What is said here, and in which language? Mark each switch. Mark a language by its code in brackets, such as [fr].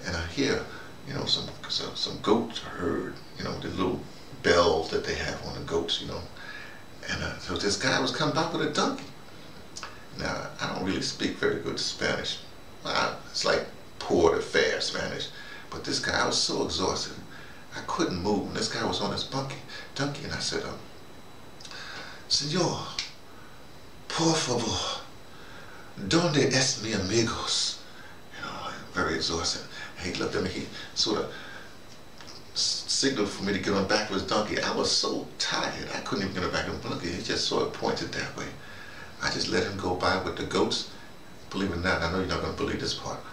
[en] And I hear, you know, some goat herd, you know, the little bells that they have on the goats, you know. And so this guy was coming back with a donkey. Now, I don't really speak very good Spanish. It's like poor to fair Spanish. But this guy, I was so exhausted, I couldn't move. And this guy was on his donkey. And I said, [es] Señor, por favor, ¿dónde es mi amigos? [en] You know, very exhausted. And he looked at me, he sort of signaled for me to get on back of his donkey. I was so tired, I couldn't even get on back of his donkey. He just sort of pointed that way. I just let him go by with the goats. Believe it or not, I know you're not going to believe this part.